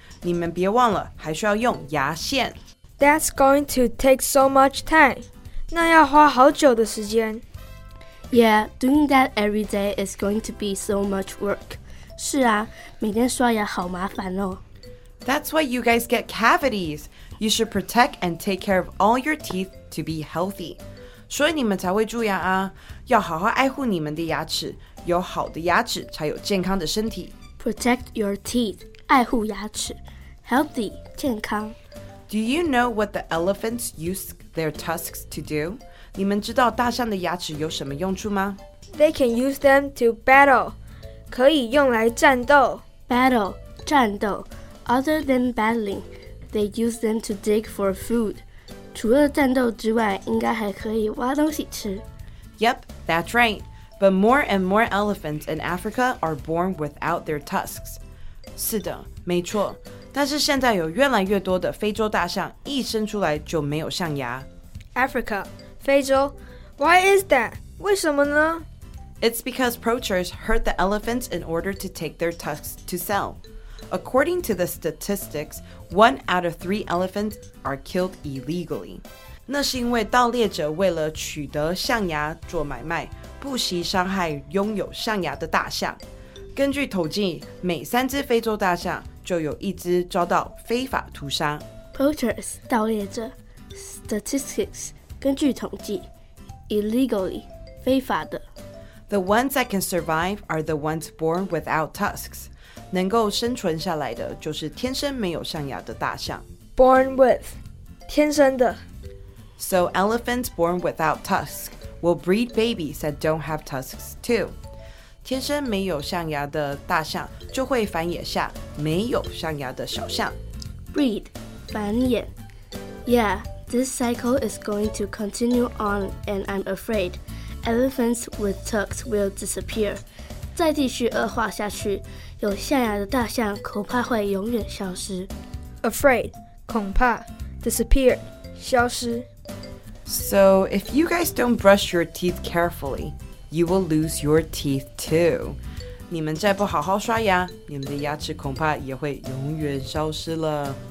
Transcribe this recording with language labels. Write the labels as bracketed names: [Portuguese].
[Chinese] 你们别忘了还需要用牙线。 [English] That's going to take so much time. [Chinese] 那要花好久的时间。 [English] Yeah, doing that every day is going to be so much work. [Chinese] 是啊，每天刷牙好麻烦哦。 [English] That's why you guys get cavities. You should protect and take care of all your teeth to be healthy. [Chinese] 所以你们才会蛀牙啊，要好好爱护你们的牙齿，有好的牙齿才有健康的身体。 [English] Protect your teeth, [Chinese] 爱护牙齿 [English] ，healthy, 健康。 Do you know what the elephants use their tusks to do? [Chinese] 你们知道大象的牙齿有什么用处吗 [English] ？They can use them to battle. [Chinese] 可以用来战斗。 [English] Battle, 战斗。 Other than battling, they use them to dig for food. [Chinese] 除了战斗之外，应该还可以挖东西吃。 [English] Yep, that's right. But more and more elephants in Africa are born without their tusks. [Chinese] 是的，没错。但是现在有越来越多的非洲大象一生出来就没有象牙。 [English] Africa, 非洲。Why is that? [Chinese] 为什么呢？ [English] It's because poachers hurt the elephants in order to take their tusks to sell. According to the statistics, 1 out of 3 elephants are killed illegally. [Chinese] 那是因为盗猎者为了取得象牙做买卖，不惜伤害拥有象牙的大象。根据统计，每3只非洲大象就有1只遭到非法屠杀。 Poachers, 盗猎者。Statistics, 根据统计。 Illegally, 非法的。 [English] The ones that can survive are the ones born without tusks. [Chinese] 能够生存下来的就是天生没有象牙的大象。 [English] Born with, 天生的。 So elephants born without tusks will breed babies that don't have tusks too. [Chinese] 天生没有象牙的大象就会繁衍下没有象牙的小象。 [English] Breed, 繁衍。 Yeah, this cycle is going to continue on and I'm afraid. Elephants with tusks will disappear. [Chinese] 再继续恶化下去，有象牙的大象恐怕会永远消失。 [English] Afraid, 恐怕 disappear, 消失。 So if you guys don't brush your teeth carefully, you will lose your teeth too. [Chinese] 你们再不好好刷牙，你们的牙齿恐怕也会永远消失了。